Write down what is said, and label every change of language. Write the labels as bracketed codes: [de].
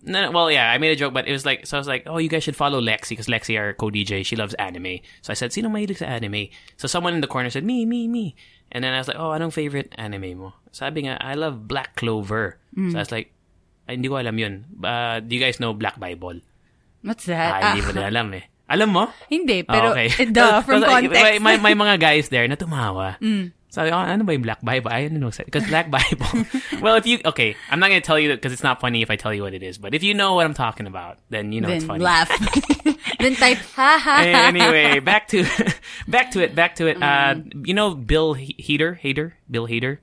[en] I made a joke, but it was like, so I was like, oh, you guys should follow Lexi, because Lexi, our co-DJ, she loves anime. So I said, [tl] sino mahilig sa anime? [en] So someone in the corner said, me. And then I was like, oh, [tl] anong favorite anime mo? Sabi nga, [en] I love Black Clover. So I was like, [tl] hindi ko alam yun. [en] Do you guys know Black Bible? What's that? [tl] Hindi mo na alam eh. Alam mo? Hindi, pero [en] from context. [tl] May mga guys there na tumawa. Sabi, oh, ano ba yung [en] Black Bible? I don't know. Because Black Bible. Well, if you, okay, I'm not going to tell you because it's not funny if I tell you what it is. But if you know what I'm talking about, then you know then it's funny. Laugh. Then type, ha ha ha. Anyway, back to it. You know Bill Hader? Bill Hader?